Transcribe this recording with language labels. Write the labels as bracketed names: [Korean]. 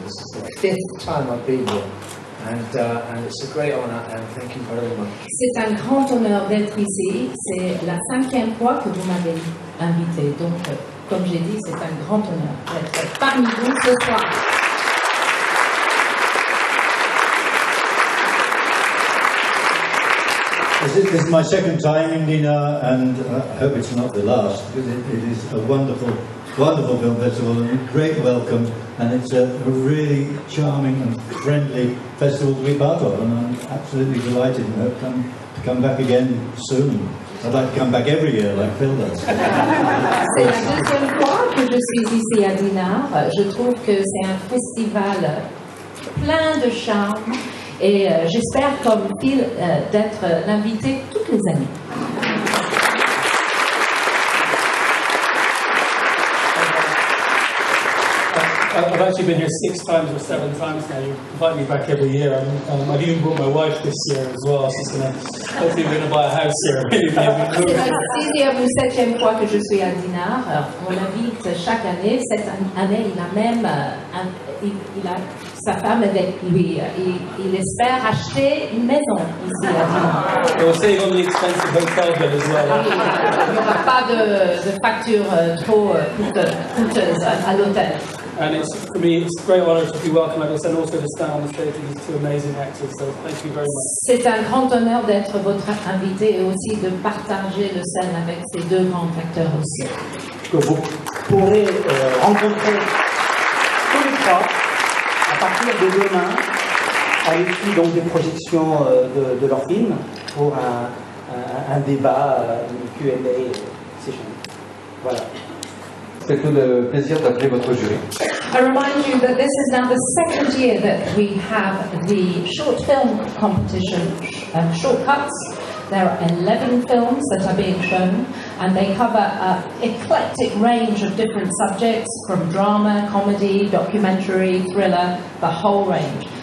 [English] This is the 5th time I've been here, and it's a great honor, and thank you very much. [French] C'est un grand honneur d'être ici. C'est la 5e fois que vous m'avez invité. Donc, comme j'ai dit, c'est un grand honneur d'être parmi vous ce soir. [English] This is my second time in Nina, and I hope it's not the last, because it is a wonderful, wonderful film festival, and a great welcome, and it's a really charming and friendly festival to be part of, and I'm absolutely delighted and hope to come back again soon. I'd like to come back every year, like Phil does. [French] C'est la deuxième fois que je suis ici à Nina. Je trouve que c'est un festival plein de charme. Et j'espère, comme Phil, d'être l'invité toutes les années. [English] I've actually been here 6 times or 7 times now. You invite me back every year. I've even brought my wife this year as well. So hopefully we're going to buy a house here. [French] C'est la 7e fois que je suis à Dinard. On l'invite chaque année. Cette année, il a même il a sa femme avec lui. Il espère acheter une maison ici à Dinard. [English] We'll save on the expensive hotel bill as well. [French] Il n'y aura pas de facture trop coûteuse à l'hôtel. [English] And it's, for me, it's a great honor to be welcome at this and also to stand on the stage with these 2 amazing actors, so thank you very much. [French] C'est un grand honneur d'être votre invité et aussi de partager le scène avec ces 2 grands acteurs aussi. Que vous pourrez rencontrer tous les 3 à partir de demain à l'issue donc des projections de leur film pour un débat, une Q&A, c'est génial. Voilà. C'est tout le plaisir d'appeler votre jury. [English] I remind you that this is now the 2nd year that we have the short film competition, Shortcuts. There are 11 films that are being shown. and they cover an eclectic range of different subjects, from drama, comedy, documentary, thriller, the whole range.